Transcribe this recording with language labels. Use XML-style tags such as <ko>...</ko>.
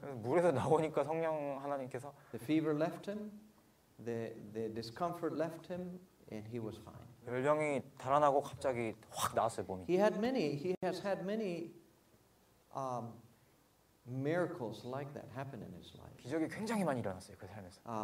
<ko>물에서 나오니까 성령 하나님께서</ko> <en>the fever left him, the discomfort left him, and he was fine.</en> <ko>열병이 달아나고 갑자기 확 나왔어요 몸이.</ko> <en>He has had many miracles like that happen in his life.</en> <ko>기적이 굉장히 많이 일어났어요 그 삶에서.</ko>